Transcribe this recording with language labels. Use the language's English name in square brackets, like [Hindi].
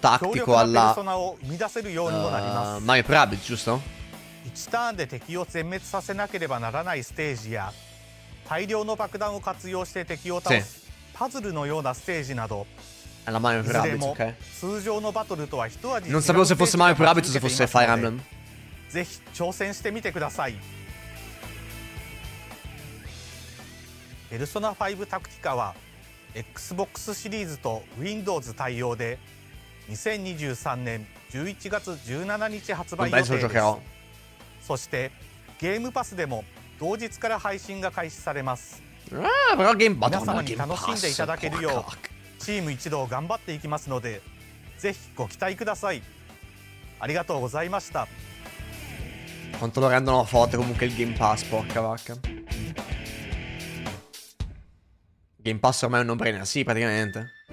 [Japanese] なペルソナを生み出せるようにもなります。マイプラブ、ジュスト 1ターンで敵を全滅させなければならないステージや大量の爆弾を活用して敵を倒すパズルのようなステージなど、いずれも通常のバトルとは一味違う。 [Italian] Non sapevo se fosse Mario Rabbids o se fosse Fire Emblem。 [Japanese] ぜひ挑戦してみてください。ペルソナ5タクティカは Xbox シリーズと Windows 対応で2023年11月17日発売予定です。そしてゲームパスでも同日から配信が開始されます。皆様に楽しんでいただけるよう。チーム一同頑張っていきますので、ぜひご期待ください。ありがとうございました。 [Italian] Quanto lo rendono forte comunque il Game Pass, porca vacca. Game Pass ormai è un no-brainer, sì, praticamente.